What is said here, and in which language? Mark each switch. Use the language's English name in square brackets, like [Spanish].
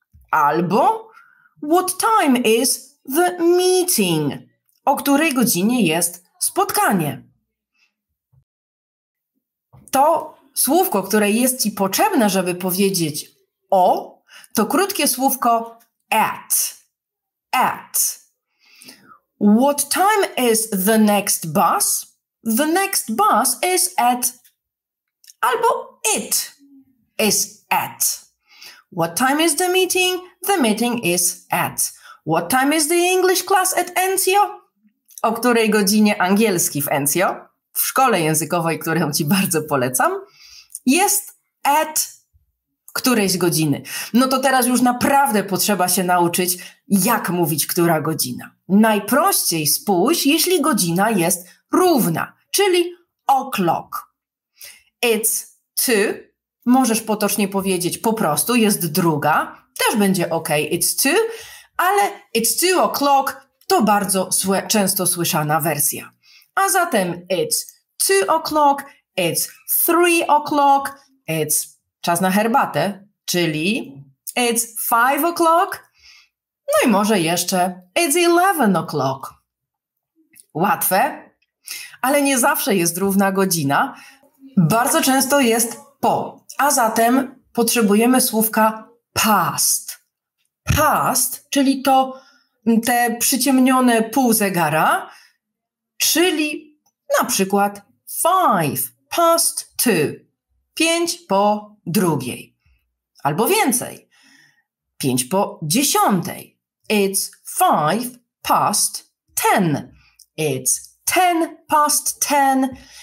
[Polish] Albo [English] what time is the meeting? [Polish] O której godzinie jest spotkanie? To słówko, które jest Ci potrzebne, żeby powiedzieć o, to krótkie słówko at. [English] At. What time is the next bus? The next bus is at. [Polish] Albo [English] it is at. What time is the meeting? The meeting is at. What time is the English class at Enzio? [Polish] O której godzinie angielski w Enzio, w szkole językowej, którą Ci bardzo polecam, jest at którejś godziny. No to teraz już naprawdę potrzeba się nauczyć, jak mówić, która godzina. Najprościej spójrz, jeśli godzina jest równa, czyli o'clock. [English] It's two. [Polish] Możesz potocznie powiedzieć po prostu, jest druga. Też będzie ok, [English] it's two. [Polish] Ale [English] it's two o'clock [Polish] to bardzo często słyszana wersja. A zatem [English] it's two o'clock, it's three o'clock, it's [Polish] czas na herbatę, czyli [English] it's five o'clock. [Polish] No i może jeszcze [English] it's 11 o'clock. [Polish] Łatwe, ale nie zawsze jest równa godzina. Bardzo często jest po, a zatem potrzebujemy słówka past. Past, czyli to te przyciemnione pół zegara, czyli na przykład [English] five, past two, [Polish] pięć po drugiej, albo więcej, pięć po dziesiątej. [English] It's five past ten, it's ten past ten.